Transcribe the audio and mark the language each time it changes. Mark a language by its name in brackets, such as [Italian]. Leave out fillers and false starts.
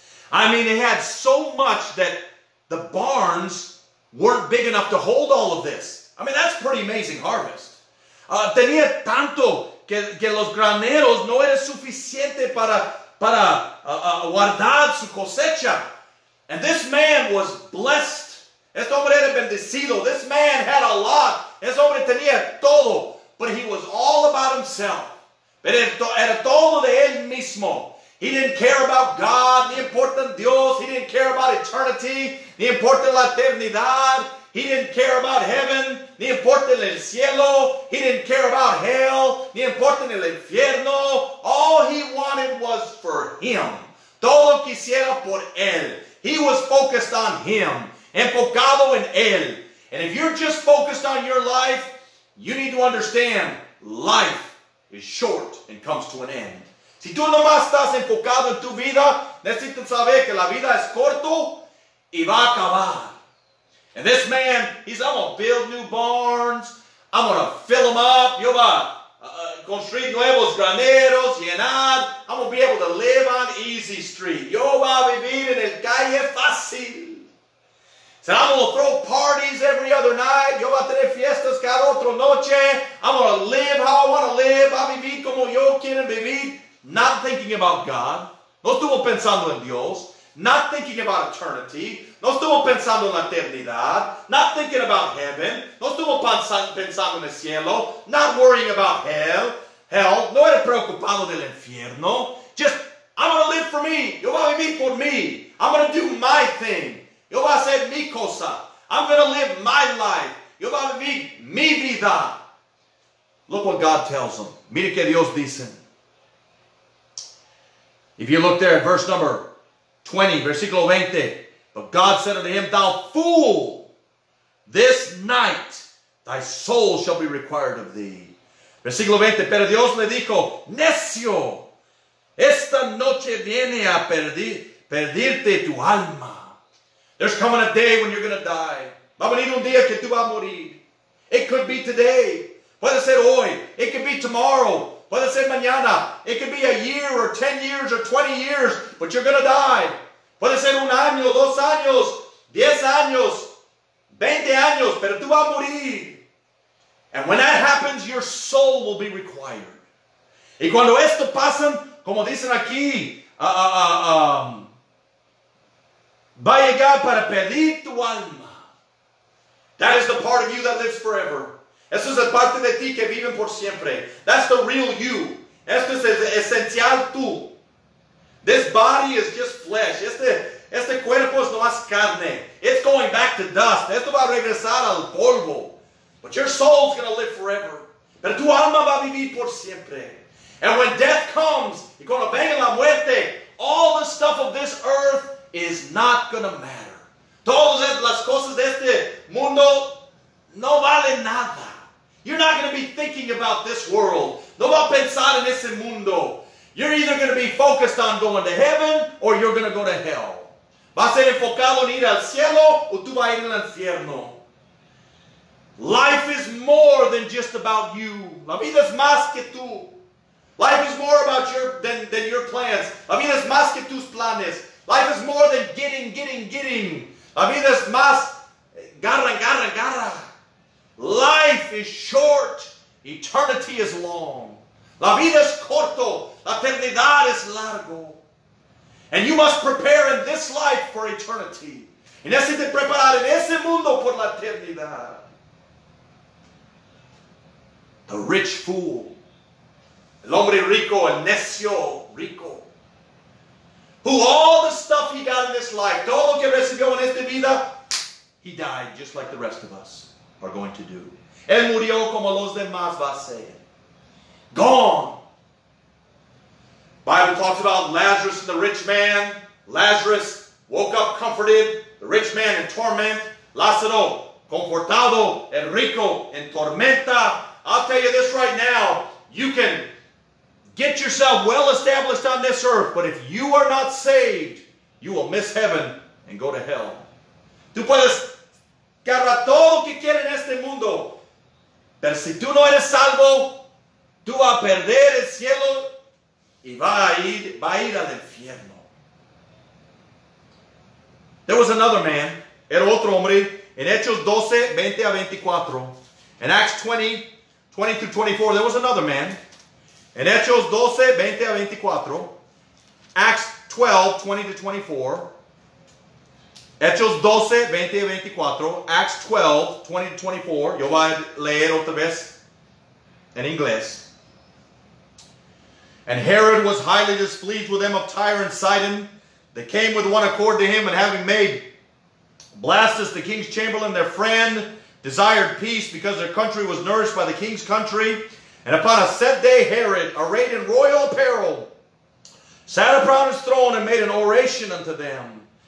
[English] I mean, he had so much that the barns weren't big enough to hold all of this. I mean, that's pretty amazing harvest. [Spanish] Tenía tanto que los graneros no era suficiente para guardar su cosecha. [English] And this man was blessed. [Spanish] Este hombre era bendecido. [English] This man had a lot. [Spanish] Este hombre tenía todo. [English] But he was all about himself. [Spanish] Pero era todo de él mismo. [English] He didn't care about God, [Spanish] ni importan Dios. [English] He didn't care about eternity, [Spanish] ni importan la eternidad. [English] He didn't care about heaven, [Spanish] ni importan el cielo. [English] He didn't care about hell, [Spanish] ni importan el infierno. [English] All he wanted was for him. [Spanish] Todo quisiera por él. [English] He was focused on him. [Spanish] Enfocado en él. [English] And if you're just focused on your life, you need to understand life is short and comes to an end. [Spanish] Si tú nomás estás enfocado en tu vida, necesitas saber que la vida es corto y va a acabar. [English] And this man, he's, I'm going to build new barns. I'm going to fill them up. [Spanish] Yo va construir nuevos graneros, llenar. [English] I'm going to be able to live on Easy Street. [Spanish] Yo va a vivir en el calle fácil. [English] So I'm going to throw parties every other night. [Spanish] Yo va a tener fiestas cada otra noche. [English] I'm going to live how I want to live. [Spanish] Va a vivir como yo quiero vivir. [English] Not thinking about God. [Spanish] No estuvo pensando en Dios. [English] Not thinking about eternity. [Spanish] No estuvo pensando en la eternidad. [English] Not thinking about heaven. [Spanish] No estuvo pensando en el cielo. [English] Not worrying about hell. Hell. [Spanish] No era preocupado del infierno. [English] Just, I'm going to live for me. [Spanish] Yo voy a vivir por mí. [English] I'm going to do my thing. [Spanish] Yo voy a hacer mi cosa. [English] I'm going to live my life. [Spanish] Yo voy a vivir mi vida. [English] Look what God tells him. [Spanish] Mira que Dios dice. [English] If you look there at verse number 20, [Spanish] versículo 20. [English] But God said unto him, thou fool, this night thy soul shall be required of thee. [Spanish] Versículo 20, pero Dios le dijo, necio, esta noche viene a perderte tu alma. [English] There's coming a day when you're going to die. [Spanish] Va a venir un día que tú vas a morir. [English] It could be today. [Spanish] Puede ser hoy. [English] It could be tomorrow. [Spanish] Puede ser mañana. [English] It could be a year or 10 years or 20 years, but you're going to die. [Spanish] Puede ser un año, dos años, 10 años, 20 años, pero tú vas a morir. [English] And when that happens, your soul will be required. [Spanish] Y cuando esto pasa, como dicen aquí, va a llegar para pedir tu alma. [English] That is the part of you that lives forever. [Spanish] Esa es la parte de ti que vive por siempre. [English] That's the real you. [Spanish] Esto es el esencial tú. [English] This body is just flesh. [Spanish] Este cuerpo es no más carne. [English] It's going back to dust. [Spanish] Esto va a regresar al polvo. [English] But your soul is going to live forever. [Spanish] Pero tu alma va a vivir por siempre. [English] And when death comes, [Spanish] y cuando venga la muerte, [English] all the stuff of this earth is not going to matter. [Spanish] Todas las cosas de este mundo no vale nada. [English] You're not going to be thinking about this world. [Spanish] No va a pensar en ese mundo. [English] You're either going to be focused on going to heaven or you're going to go to hell. [Spanish] Va a ser enfocado en ir al cielo o tú vas a ir al infierno. [English] Life is more than just about you. [Spanish] La vida es más que tú. [English] Life is more about than your plans. [Spanish] La vida es más que tus planes. [English] Life is more than getting. [Spanish] La vida es más garra. [English] Life is short. Eternity is long. [Spanish] La vida es corto. La eternidad es largo. [English] And you must prepare in this life for eternity. [Spanish] Y necesitas preparar en ese mundo por la eternidad. [English] The rich fool. [Spanish] El hombre rico, el necio rico. [English] Who all the stuff he got in this life, [Spanish] todo lo que recibió en esta vida, [English] he died just like the rest of us are going to do. [Spanish] Él murió como los demás va a ser. [English] Gone. Bible talks about Lazarus and the rich man. Lazarus woke up comforted. The rich man in torment. [Spanish] Lázaro, confortado. El rico, en tormenta. [English] I'll tell you this right now. You can get yourself well established on this earth, but if you are not saved, you will miss heaven and go to hell. [Spanish] Tú puedes agarrar todo lo que quieres en este mundo, pero si tú no eres salvo, tú vas a perder el cielo y va a ir al infierno. [English] There was another man, [Spanish] era otro hombre, [English] in [Spanish] Hechos 12, 20 a 24, [English] in Acts 20, 20 to 24, there was another man, in Hechos 12, 20 a 24, Acts 12, 20 to 24, [Spanish] Hechos 12, 20 y 24. [English] Acts 12, 20 to 24. [Spanish] Yo voy a leer otra vez en inglés. [English] And Herod was highly displeased with them of Tyre and Sidon. They came with one accord to him, and having made Blastus, the king's chamberlain, their friend, desired peace because their country was nourished by the king's country. And upon a set day, Herod, arrayed in royal apparel, sat upon his throne and made an oration unto them.